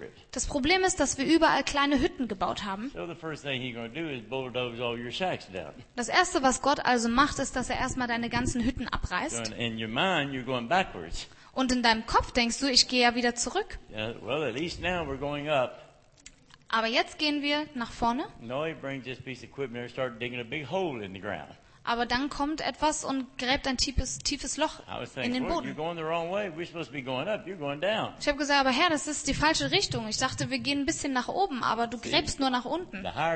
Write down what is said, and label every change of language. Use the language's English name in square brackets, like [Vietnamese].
[German] Das Problem ist, dass wir überall kleine Hütten gebaut haben. Das erste, was Gott also macht, ist, dass er erstmal deine ganzen Hütten abreißt. [English] In your mind, you're going backwards. [German] Und in deinem Kopf denkst du, ich gehe ja wieder zurück. [English] Well, at least now we're going up. [German] Aber jetzt gehen wir nach vorne. [English] No, he brings this piece of equipment and starts digging a big hole in the ground. [German] Aber dann kommt etwas und gräbt ein tiefes Loch in den Boden. Ich habe gesagt, aber Herr, das ist die falsche Richtung. Ich dachte, wir gehen ein bisschen nach oben, aber du gräbst nur nach unten.